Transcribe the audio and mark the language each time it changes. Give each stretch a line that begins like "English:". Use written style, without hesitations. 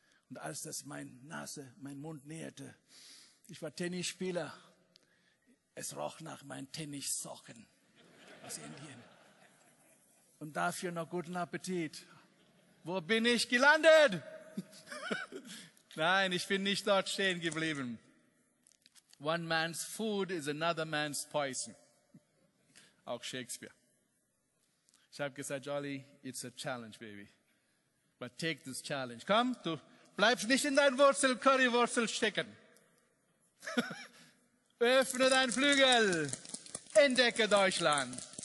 German: Und als das meine Nase, mein Mund näherte, ich war Tennisspieler, es roch nach meinen Tennissocken aus Indien. Und dafür noch guten Appetit. Wo bin ich gelandet? Nein, ich bin nicht dort stehen geblieben.
English: One man's food is another man's poison.
German: Auch Shakespeare. Ich habe gesagt,
English: Jolly, it's a challenge, baby. But take this challenge.
German: Komm, du. Bleibst nicht in dein Wurzel, Currywurzel stecken. Öffne dein Flügel. Entdecke Deutschland.